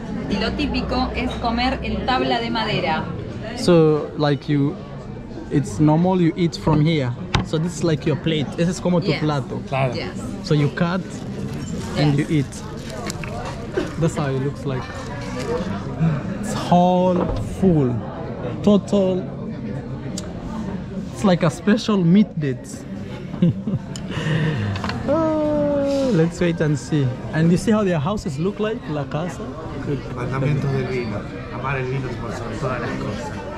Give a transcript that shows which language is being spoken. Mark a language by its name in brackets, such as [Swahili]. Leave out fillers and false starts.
[Spanish] Y lo típico es comer en tabla de madera. [English] So, like you, it's normal you eat from here. So this is like your plate. [Spanish] Ese es como tu plato. Claro. [English] Yes. So you cut and you eat. That's how it looks like. It's all full. Total, it's like a special meat date. Oh, let's wait and see. And you see how their houses look like, la casa? [Spanish] Mandamientos del vino. Amar el vino por sobre todas las cosas.